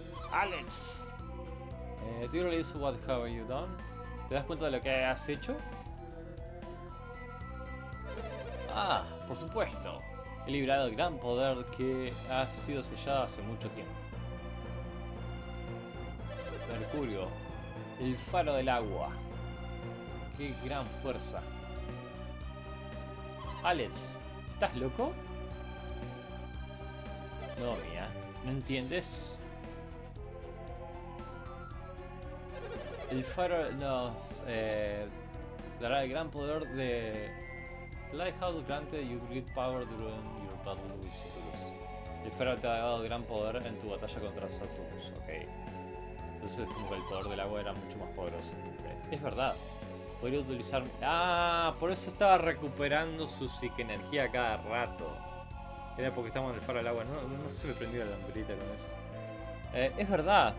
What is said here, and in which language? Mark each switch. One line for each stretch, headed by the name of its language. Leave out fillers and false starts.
English: Alex, do you realize what have you done?
Spanish: ¿Te das cuenta de lo que has hecho? Ah, por supuesto. He liberado el gran poder que ha sido sellado hace mucho tiempo. Mercurio, el faro del agua. ¡Qué gran fuerza! Alex, ¿estás loco? No, mía, ¿no entiendes? El faro nos dará el gran poder de...
English: Lighthouse granted you great power during your battle with Saturnus.
Spanish: El faro te ha dado gran poder en tu batalla contra Saturnus, ok. Entonces como que el poder del agua era mucho más poderoso. Es verdad. Podría utilizar... ¡Ah! Por eso estaba recuperando su psique energía cada rato. Era porque estábamos en el faro del agua. No se me prendió la lamparita con eso. Es verdad.